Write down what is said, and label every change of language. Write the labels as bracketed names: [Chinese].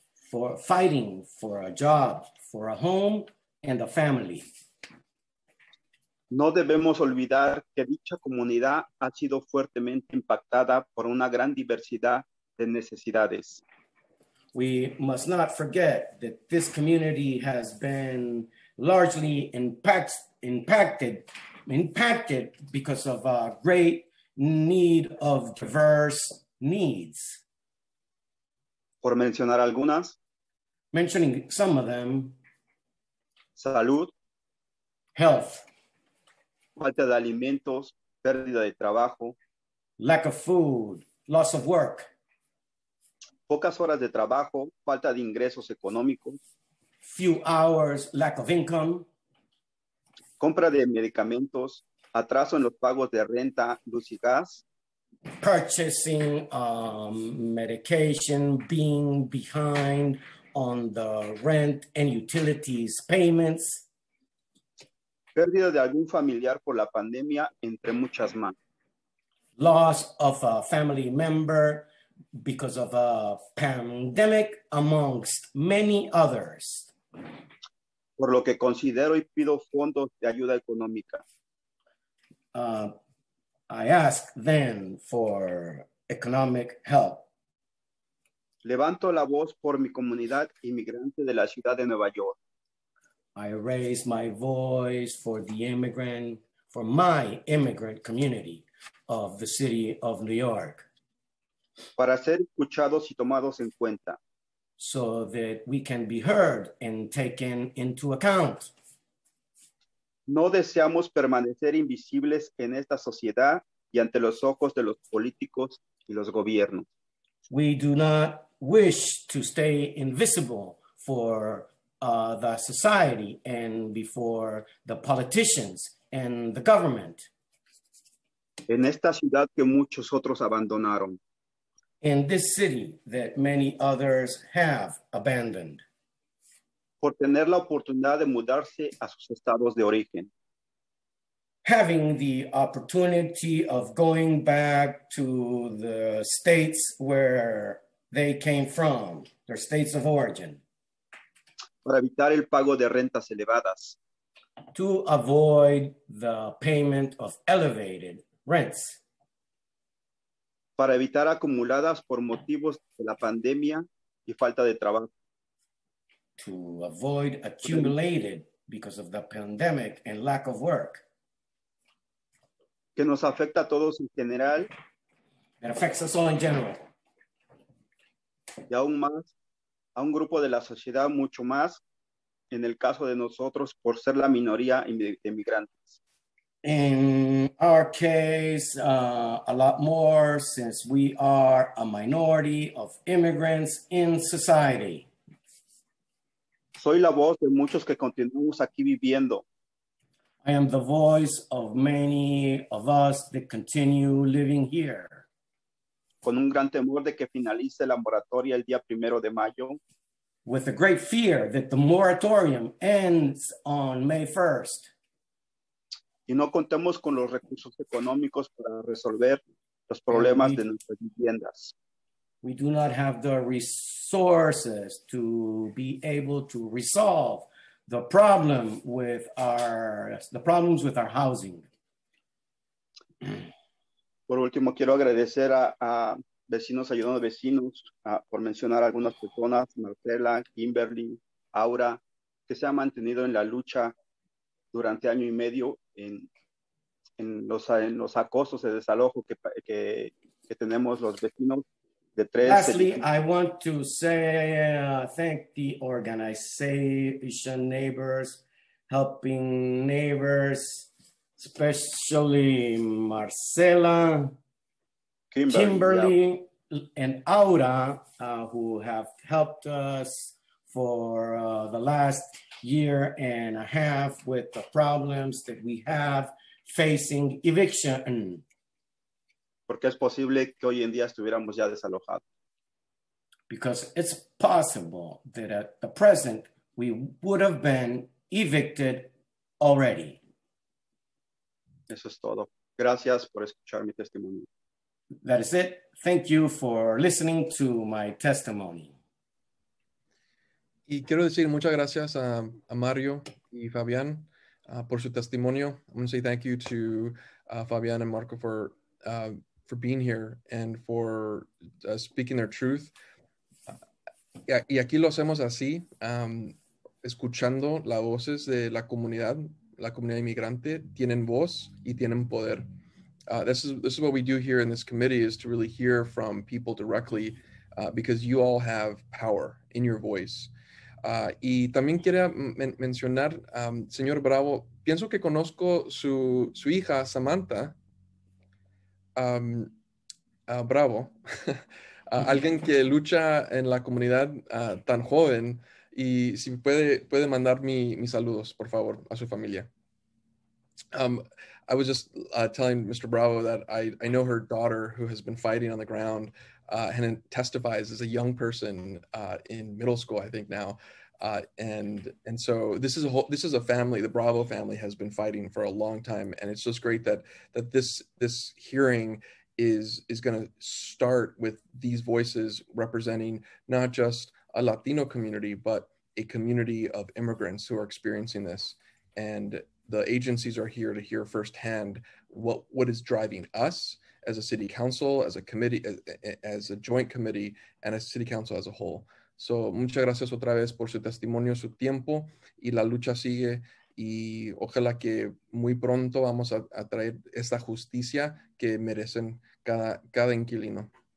[English] For fighting for a job, for a home and a family. [Spanish] No debemos olvidar que dicha comunidad ha sido fuertemente impactada por una gran diversidad de necesidades. [English] We must not forget that this community has been largely impacted because of a great need of diverse needs. [Spanish] Por mencionar algunas. [English] Mentioning some of them. [Spanish] Salud. [English] Health. [Spanish] Falta de alimentos, pérdida de trabajo. [English] Lack of food, loss of work. [Spanish] Pocas horas de trabajo, falta de ingresos económicos. [English] Few hours, lack of income. [Spanish] Compra de medicamentos, atraso en los pagos de renta, luz y gas. [English] Purchasing medication, being behind on the rent and utilities payments. [Spanish] Pérdida de algún familiar por la pandemia, entre muchas más. [English] Loss of a family member because of a pandemic, amongst many others. [Spanish] Por lo que considero y pido fondos de ayuda económica. [English] I ask then for economic help. [Spanish] Levanto la voz por mi comunidad inmigrante de la ciudad de Nueva York. [English] I raise my voice for the immigrant, for my immigrant community of the city of New York. [Spanish] Para ser escuchados y tomados en cuenta. [English] So that we can be heard and taken into account. [Spanish] No deseamos permanecer invisibles en esta sociedad y ante los ojos de los políticos y los gobiernos. [English] We do not wish to stay invisible for the society and before the politicians and the government. [Spanish] En esta ciudad que muchos otros abandonaron. [English] In this city that many others have abandoned. [Spanish] Por tener la oportunidad de mudarse a sus estados de origen. [English] Having the opportunity of going back to the states where they came from, their states of origin. [Spanish] Para evitar el pago de rentas elevadas. [English] To avoid the payment of elevated rents. [Spanish] Para evitar acumuladas por motivos de la pandemia y falta de trabajo. [English] To avoid accumulated because of the pandemic and lack of work. [Spanish] Que nos afecta a todos en general. [English] It affects us all in general. [Spanish] Y aún más, a un grupo de la sociedad mucho más, en el caso de nosotros, por ser la minoría de migrantes. [English] In our case, a lot more since we are a minority of immigrants in society. [Spanish] Soy la voz de muchos que continuamos aquí viviendo. [English] I am the voice of many of us that continue living here. [Spanish] Con un gran temor de que finalice la moratoria el día primero de mayo. [English] With a great fear that the moratorium ends on May 1st. [Spanish] Y no contemos con los recursos económicos para resolver los problemas de nuestras viviendas. [English] We do not have the resources to be able to resolve the problems with our housing. [Spanish] Por último, quiero agradecer a vecinos ayudando a vecinos por mencionar algunas personas, Marcela, Kimberly, Aura, que se ha mantenido en la lucha durante año y medio en los acosos de desalojo que tenemos los vecinos de tres. [English] Lastly, I want to say thank the organization Neighbors, Helping Neighbors, especially Marcela, Kimberly yeah. And Aura, who have helped us for the last year and a half with the problems that we have facing eviction. [Spanish] Porque es posible que hoy en día estuviéramos ya desalojados. [English] Because it's possible that at the present we would have been evicted already. [Spanish] Eso es todo. Gracias por escuchar mi testimonio. [English] That is it. Thank you for listening to my testimony. [Spanish] Y quiero decir muchas gracias a Mario y Fabián por su testimonio. [English] I'm going to say thank you to Fabián and Marco for being here and for speaking their truth. [Spanish] Y aquí lo hacemos así, escuchando las voces de la comunidad inmigrante, tienen voz y tienen poder. [English] This is what we do here in this committee, is to really hear from people directly, because you all have power in your voice. [Spanish] Y también quería mencionar, señor Bravo, pienso que conozco su hija, Samantha. Bravo. alguien que lucha en la comunidad tan joven, y si puede mandar mis saludos, por favor, a su familia. [English] I was just telling Mr. Bravo that I know her daughter, who has been fighting on the ground and testifies as a young person in middle school, I think now. And so this is a family. The Bravo family has been fighting for a long time, and it's just great that this hearing is going to start with these voices representing not just a Latino community, but a community of immigrants who are experiencing this. And the agencies are here to hear firsthand what is driving us as a city council, as a committee, as a joint committee, and as city council as a whole. [Spanish] So, muchas gracias otra vez por su testimonio, su tiempo, y la lucha sigue. Y ojalá que muy pronto vamos a traer esta justicia que merecen cada inquilino.